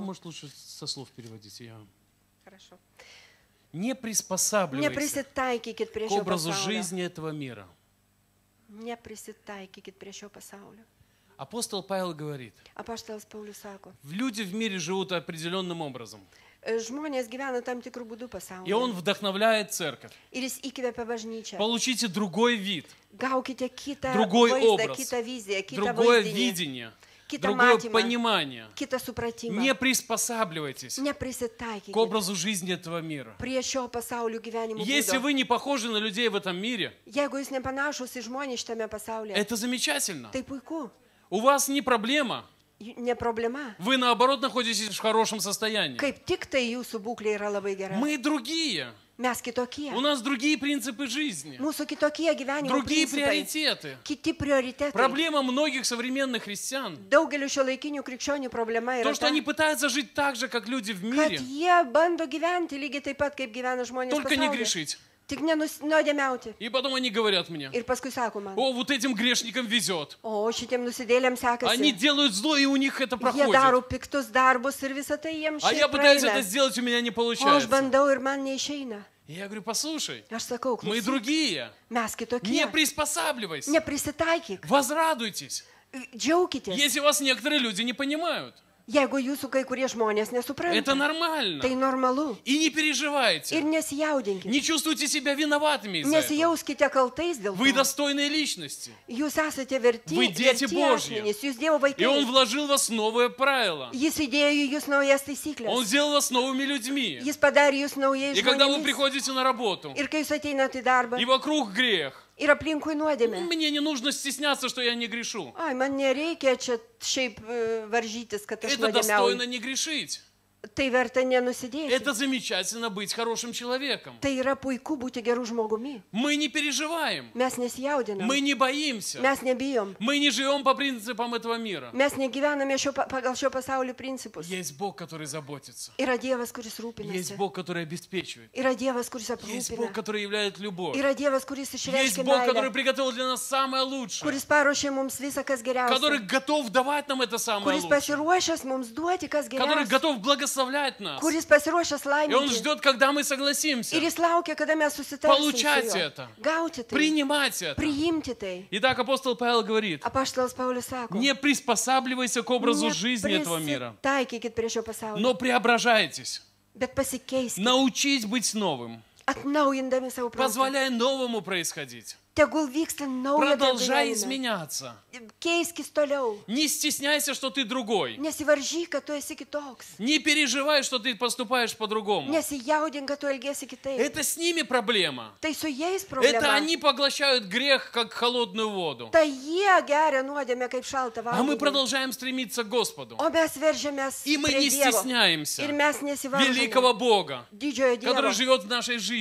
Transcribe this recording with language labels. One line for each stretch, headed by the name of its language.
Russian: может, лучше со слов переводите. Я... Хорошо. Не приспосабливайся к образу жизни этого мира. Не приспосабливайся к этому пасаулю. Апостол Павел говорит.
Lithuanian: Апостол Павлю сако.
Russian: Люди в мире живут определенным образом.
Lithuanian: Žmonės gyvena tam tikrų būdų pasaulyje.
Russian: И он вдохновляет церковь.
Lithuanian: Ir jis įkvėpia bažnyčią.
Russian: Получите другой вид.
Lithuanian: Gaukite kitą vaizdą, kitą viziją, kitą
Russian: другое видение. Другое понимание.
Lithuanian: Kitą supratimą.
Russian: Не приспосабливайтесь. Не присытайтесь к образу жизни этого мира.
Lithuanian: Prie šio pasaulio gyvenimo būdo.
Russian: Если вы не похожи на людей в этом мире.
Lithuanian: Jeigu jūs nepanašūs į žmonės šitame pasaulyje.
Russian: Это замечательно.
Lithuanian: Tai puiku.
Russian: У вас не проблема. Не проблема. Вы наоборот находитесь в хорошем состоянии. Как только ваша буква и очень хорошая. Мы другие.
Lithuanian: Mes kitokie.
Russian: У нас другие принципы жизни.
Lithuanian: Mūsų kitokie gyvenimo
Russian: другие
Lithuanian: principai.
Russian: Приоритеты.
Lithuanian: Kiti prioritetai.
Russian: Проблема многих современных христиан.
Lithuanian: Daugelio šiuolaikinių krikščionių problema yra
Russian: то, что они пытаются жить так же, как люди в мире.
Lithuanian: Kad jie bando gyventi lygiai taip pat, kaip gyvena žmonės
Russian: только
Lithuanian: pasaulyje.
Russian: Не грешить.
Lithuanian: Tik nenudėmiauti.
Russian: И потом они говорят мне.
Lithuanian: Ir paskui sako man.
Russian: О, вот этим грешникам везет.
Lithuanian: O, šitiem nusidėliam sekasi.
Russian: Они делают зло, и у них это проходит.
Lithuanian: Jie daro piktus darbus, ir visa tai jiems šiaip praeina.
Russian: А я пытаюсь это сделать, у меня не получается.
Lithuanian: O, aš bandau, ir man neišeina.
Russian: Я говорю, послушай,
Lithuanian: aš sakau,
Russian: мы другие.
Lithuanian: Mes kitokie.
Russian: Не приспосабливайся.
Lithuanian: Не prisitaikyk.
Russian: Возрадуйтесь.
Lithuanian: Džiaukitės.
Russian: Если вас некоторые люди не понимают.
Lithuanian: Jeigu jūsų kai kurie žmonės nesupranta.
Russian: Это нормально.
Lithuanian: Tai normalu.
Russian: И не переживайте.
Lithuanian: Ir nesijaudinkite.
Russian: Не чувствуйте себя виноватыми из-за этого.
Lithuanian: Nesijauskite kaltais dėl to.
Russian: Вы достойные личности.
Lithuanian: Jūs esate verti.
Russian: Вы дети Божьи.
Lithuanian: Jūs Dievo vaikai.
Russian: И он вложил вас новое правило.
Lithuanian: Jis įdėjo jūs naujas taisykles.
Russian: Он сделал вас новыми людьми.
Lithuanian: Jis padarė jūs naujais žmonėmis.
Russian: И когда вы приходите на работу.
Lithuanian: Ir kai jūs ateinate į darbą.
Russian: И вокруг грех.
Lithuanian: Ir aplinkui nuodėmė.
Russian: Мне не нужно стесняться, что я не грешу.
Lithuanian: Ай, man nereikia čia šiaip varžytis, kad aš nuodėmiau.
Russian: Это достойно не грешить.
Lithuanian: Tai verta nenusidėti.
Russian: Это замечательно быть хорошим человеком.
Lithuanian: Tai yra puiku būti geru žmogumi.
Russian: Мы не переживаем.
Lithuanian: Mes nesijaudinam.
Russian: Мы не боимся.
Lithuanian: Mes nebijom.
Russian: Мы не живем по принципам этого мира.
Lithuanian: Mes negyvename šio, pagal šio pasaulio principus.
Russian: Есть Бог, который заботится.
Lithuanian: Yra Dievas, kuris rūpinasi.
Russian: Есть Бог, который обеспечивает.
Lithuanian: Yra Dievas, kuris aprūpina.
Russian: Есть Бог, который являет любовь.
Lithuanian: Yra Dievas, kuris išreiškia meilę.
Russian: Есть Бог, который приготовил для нас самое лучшее.
Lithuanian: Kuris paruošė mums visą, kas geriausia.
Russian: Который готов давать нам это самое лучшее.
Lithuanian: Kuris pasiruošęs mums duoti, kas geriausia.
Russian: Который готов благословить.
Lithuanian: Kuris pasiruošęs laiminti.
Russian: И он ждет, когда мы согласимся.
Lithuanian: Ir jis laukia, kada mes susitarsim.
Russian: Получать это.
Lithuanian: Gauti tai.
Russian: Принимать это.
Lithuanian: Priimti tai.
Russian: Итак, апостол Павел говорит.
Lithuanian: Apaštalas Paulius sako.
Russian: Не приспосабливайся к образу жизни этого мира.
Lithuanian: Taikykit prie šio pasaulio.
Russian: Но преображайтесь.
Lithuanian: Bet pasikeiskit.
Russian: Научись быть новым.
Lithuanian: Atnaujindami savo protą.
Russian: Позволяй новому происходить.
Lithuanian: Tegul vyksta nauja gyvenime.
Russian: Продолжай изменяться.
Lithuanian: Keiskis toliau.
Russian: Не стесняйся, что ты другой.
Lithuanian: Nesivaržyk, kad tu esi kitoks.
Russian: Не переживай, что ты поступаешь по-другому.
Lithuanian: Nesijaudink, kad tu elgiesi kitaip.
Russian: Это с ними проблема.
Lithuanian: Tai su jais problema.
Russian: Это они поглощают грех, как холодную воду.
Lithuanian: Tai jie geria nuodėmę, kaip šaltą vandenį.
Russian: А мы продолжаем стремиться к Господу.
Lithuanian: O mes veržiamės prie Dievo.
Russian: И мы не стесняемся.
Lithuanian: Ir mes nesivaržome.
Russian: Великого Бога.
Lithuanian: Didžiojo Dievo.
Russian: Который живет в нашей жизни.